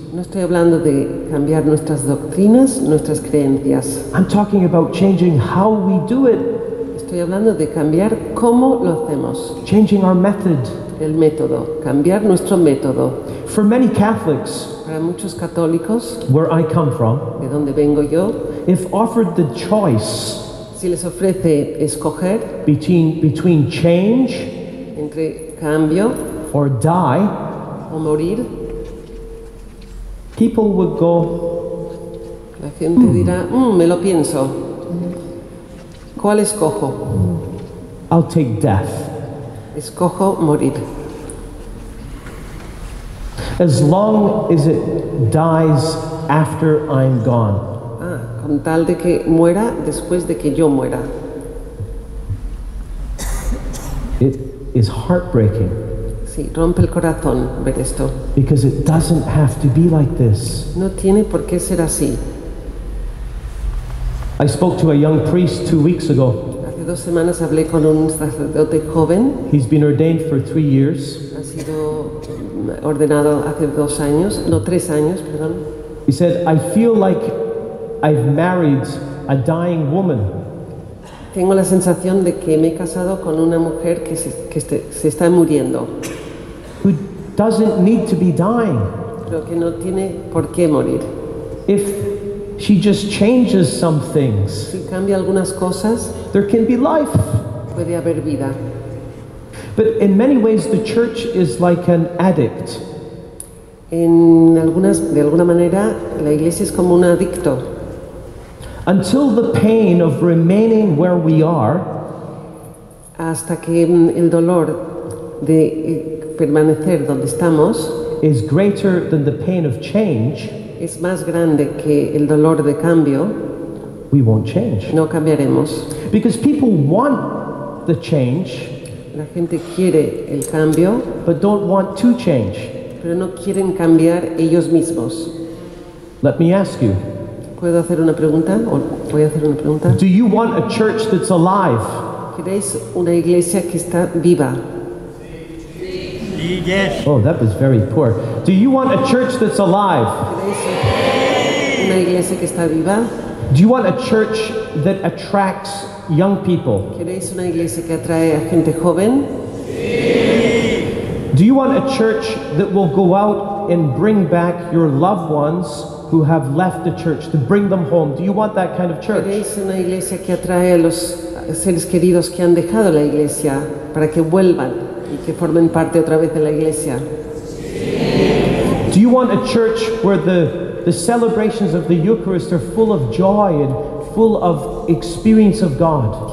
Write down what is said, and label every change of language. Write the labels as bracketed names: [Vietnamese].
[Spanish] No estoy hablando de cambiar nuestras doctrinas, nuestras creencias. [English] I'm talking about changing how we do it. [Spanish] Estoy hablando de cambiar cómo lo hacemos. [English] Changing our method. [Spanish] El método. Cambiar nuestro método. [English] For many Catholics, [Spanish] para muchos católicos, [English] where I come from, [Spanish] de donde vengo yo, [English] if offered the choice, [Spanish] si les ofrece escoger, [English] between change, [Spanish] entre cambio, [English] or die, [Spanish] o morir. [English] People would go. [Spanish] La gente dirá, me lo pienso. ¿Cuál escojo? [English] I'll take death. [Spanish] Escojo morir. [English] As long as it dies after I'm gone. [Spanish] Con tal de que muera después de que yo muera. [English] It is heartbreaking. [Spanish] Sí, rompe el corazón ver esto. [English] Because it doesn't have to be like this. [Spanish] No tiene por qué ser así. [English] I spoke to a young priest 2 weeks ago. [Spanish] Hace 2 semanas hablé con un sacerdote joven. [English] He's been ordained for 3 years. [Spanish] Ha sido ordenado hace 2 años, no 3 años, perdón. [English] He said, I feel like I've married a dying woman. [Spanish] Tengo la sensación de que me he casado con una mujer que se está muriendo. [English] Who doesn't need to be dying. [Spanish] Pero que no tiene por qué morir. [English] If she just changes some things, [Spanish] si cambia algunas cosas, [English] there can be life. [Spanish] Puede haber vida. [English] But in many ways, the church is like an addict. [Spanish] De alguna manera, la iglesia es como un adicto. [English] Until the pain of remaining where we are, [Spanish] hasta que el dolor de permanecer donde estamos, [English] is greater than the pain of change, [Spanish] es más grande que el dolor de cambio, [English] we won't change. [Spanish] No cambiaremos. [English] Because people want the change, [Spanish] la gente quiere el cambio, [English] but don't want to change. [Spanish] Pero no quieren cambiar ellos mismos. [English] Let me ask you. [Spanish] ¿Puedo hacer una pregunta? ¿Voy a hacer una pregunta? [English] Do you want a church that's alive? [Spanish] ¿Queréis una iglesia que está viva? Sí. Yes. [English] Oh, that was very poor. Do you want a church that's alive? [Spanish] ¿Queréis una iglesia que está viva? [English] Do you want a church that attracts young people? [Spanish] ¿Queréis una iglesia que atrae a gente joven? [English] Do you want a church that will go out and bring back your loved ones who have left the church, to bring them home? Do you want that kind of church? [Spanish] ¿Queréis una iglesia que atrae a los seres queridos que han dejado la iglesia para que vuelvan y que formen parte otra vez de la iglesia? [English] Do you want a church where the celebrations of the Eucharist are full of joy and full of experience of God?